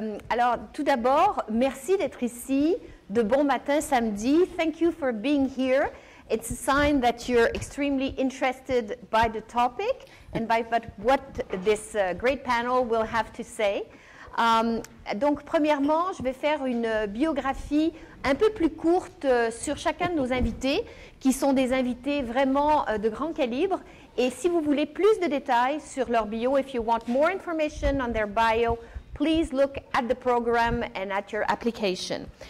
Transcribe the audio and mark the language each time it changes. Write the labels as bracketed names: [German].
[French] Alors, tout d'abord, merci d'être ici de bon matin samedi. [English] Thank you for being here. It's a sign that you're extremely interested by the topic and by what this great panel will have to say. [French] Donc, premièrement, je vais faire une biographie un peu plus courte sur chacun de nos invités, qui sont des invités vraiment de grand calibre. Et si vous voulez plus de détails sur leur bio, [English] if you want more information on their bio, please look at the program and at your application.